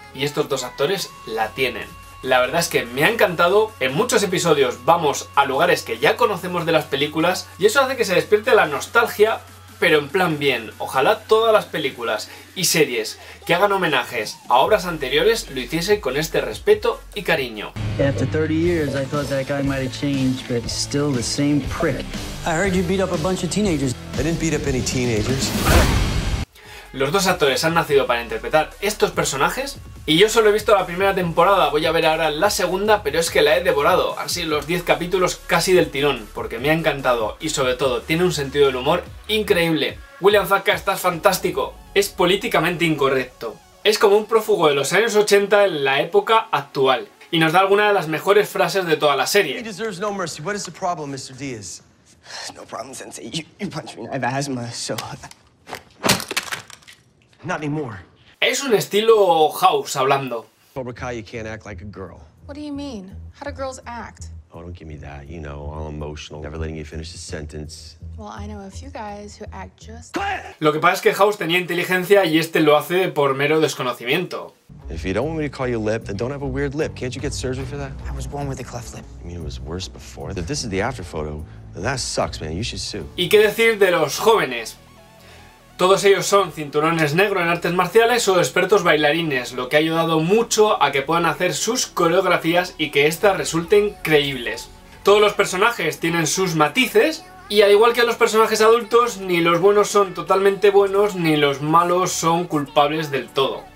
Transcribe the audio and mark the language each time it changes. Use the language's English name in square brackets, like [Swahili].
[Spanish] Y estos dos actores la tienen. La verdad es que me ha encantado. En muchos episodios vamos a lugares que ya conocemos de las películas y eso hace que se despierte la nostalgia, pero en plan bien. Ojalá todas las películas y series que hagan homenajes a obras anteriores lo hiciese con este respeto y cariño. [English] After 30 years I thought that guy might have changed, but he's still the same prick. I heard you beat up a bunch of teenagers. I didn't beat up any teenagers. [Spanish] Los dos actores han nacido para interpretar estos personajes y yo solo he visto la primera temporada, voy a ver ahora la segunda, pero es que la he devorado, así los 10 capítulos casi del tirón, porque me ha encantado y sobre todo tiene un sentido del humor increíble. William Zabka, estás fantástico, es políticamente incorrecto, es como un prófugo de los años 80 en la época actual y nos da alguna de las mejores frases de toda la serie. [English] He deserves no mercy. What is the problem, Mr. Diaz? No problem, sensei. You punch me. I have asthma, so... Not anymore. [Spanish] Es un estilo house hablando. [English] Cobra Kai, you can't act like a girl. What do you mean? How do girls act? Oh, don't give me that. You know, all emotional, never letting you finish a sentence. Well, I know a few guys who act just. [Spanish] Lo que pasa es que House tenía inteligencia y este lo hace por mero desconocimiento. [English] If you don't want me to call you lip, then don't have a weird lip. Can't you get surgery for that? I was born with a cleft lip. I mean, it was worse before. If this is the after photo, then that sucks, man. You should sue. [Spanish] ¿Y qué decir de los jóvenes? Todos ellos son cinturones negros en artes marciales o expertos bailarines, lo que ha ayudado mucho a que puedan hacer sus coreografías y que éstas resulten creíbles. Todos los personajes tienen sus matices y al igual que los personajes adultos, ni los buenos son totalmente buenos ni los malos son culpables del todo.